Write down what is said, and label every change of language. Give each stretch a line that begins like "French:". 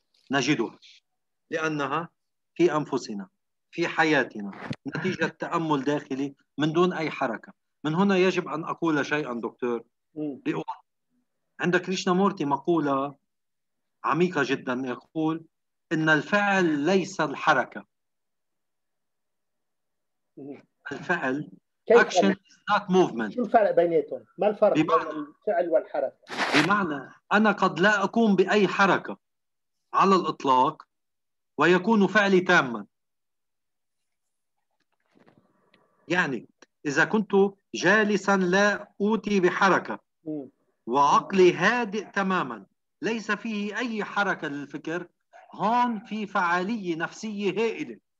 Arabic: نجدها لأنها في أنفسنا في حياتنا نتيجة تأمل داخلي من دون أي حركة. من هنا يجب أن أقول شيئا دكتور. عند كريشنامورتي مقولة عميقة جدا، يقول إن الفعل ليس الحركة. الفعل
English: action is not movement.
Arabic: شو الفرق بينهم؟ ما الفرق بين الفعل والحركة؟ بمعنى أنا قد لا أقوم بأي حركة على الإطلاق ويكون فعلي تاما. يعني إذا كنت جالسا لا أوتي بحركة وعقلي هادئ تماما ليس فيه أي حركة للفكر، هون في فعالية نفسية هائلة.